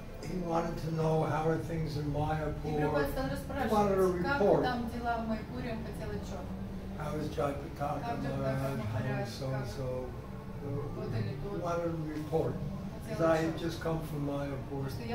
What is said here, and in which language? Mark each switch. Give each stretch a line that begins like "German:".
English: he wanted to know how are things in Mayapur. He wanted a report.
Russian: Там дела в Майпуре, он хотел отчёт.
English: How is Jaipataka, so-and-so, wanted a report, because I had just come from Mayapur to